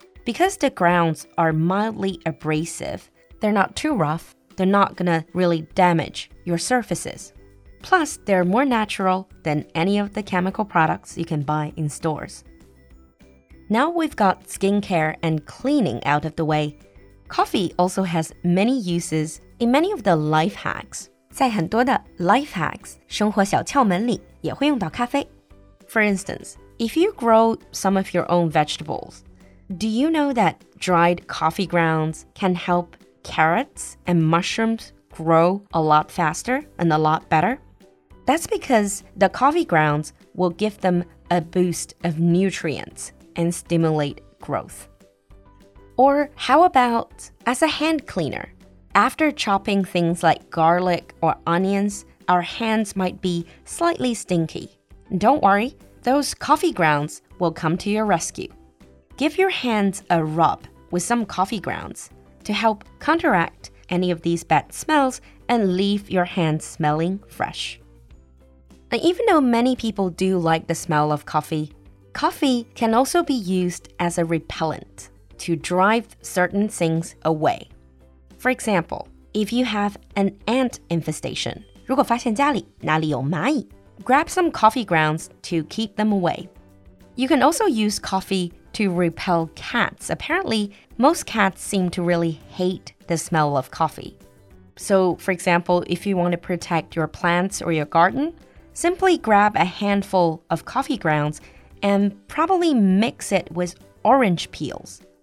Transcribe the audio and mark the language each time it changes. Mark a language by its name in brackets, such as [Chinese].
[English] Because the grounds are mildly abrasive, they're not too rough, they're not gonna really damage your surfaces. Plus, they're more natural than any of the chemical products you can buy in stores. Now we've got skincare and cleaning out of the way, coffee also has many uses in many of the life hacks. [Chinese] 在很多的 life hacks, 生活小窍门里也会用到咖啡。 [English] For instance, if you grow some of your own vegetables, do you know that dried coffee grounds can help carrots and mushrooms grow a lot faster and a lot better? That's because the coffee grounds will give them a boost of nutrients and stimulate growth. Or how about as a hand cleaner? After chopping things like garlic or onions, our hands might be slightly stinky. Don't worry, those coffee grounds will come to your rescue. Give your hands a rub with some coffee grounds to help counteract any of these bad smells and leave your hands smelling fresh. And even though many people do like the smell of coffee, coffee can also be used as a repellent to drive certain things away. For example, if you have an ant infestation, [Chinese] 如果发现家里哪里有蚂蚁, [English] grab some coffee grounds to keep them away. You can also use coffee to repel cats. Apparently, most cats seem to really hate the smell of coffee. So, for example, if you want to protect your plants or your garden, simply grab a handful of coffee grounds and probably mix it with orange peels.